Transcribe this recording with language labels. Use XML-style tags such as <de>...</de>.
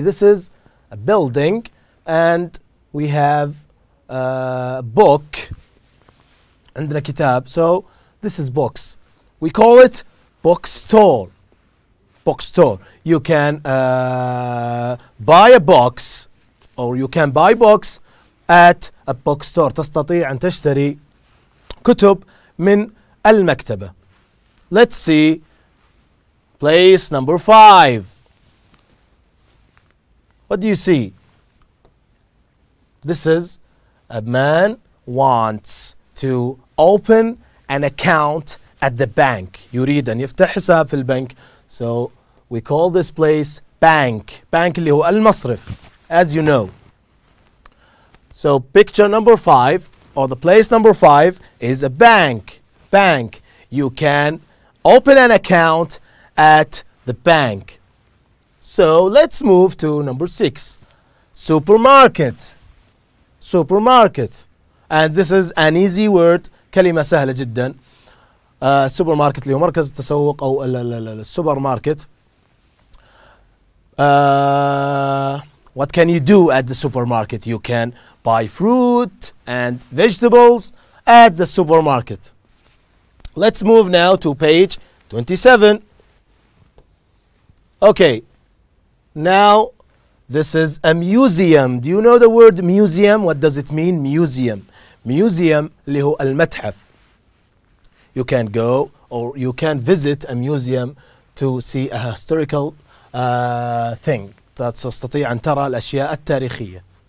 <en>This is a building and we have a book.</en> <ar>عندنا كتاب.</ar> <en>So this is books. We call it bookstore. Bookstore. You can buy a box. Or you can buy books at a bookstore.</en> <ar>تستطيع أن تشتري كتب من المكتبة.</ar> <en>Let's see place number five. What do you see? This is a man wants to open an account at the bank.</en> <ar>يريد أن يفتح حساب في البنك.</ar> <en>So we call this place bank.</en> <ar>Bank اللي هو المصرف.</ar> <en>As you know. So picture number five, or the place number five, is a bank. Bank. You can open an account at the bank. So let's move to number six. Supermarket. Supermarket. And this is an easy word.</en> <ar>كلمة سهلة جدا. Supermarket اللي هو مركز التسوق أو السوبرماركت.</ar> <en>What can you do at the supermarket? You can buy fruit and vegetables at the supermarket. Let's move now to page 27. Okay, now this is a museum. Do you know the word museum? What does it mean, museum?</en> <ar>Museum, اللي هو المتحف.</ar> <en>You can go or you can visit a museum to see a historical thing.</en> <ar>تستطيع أن ترى الأشياء التاريخية.</ar>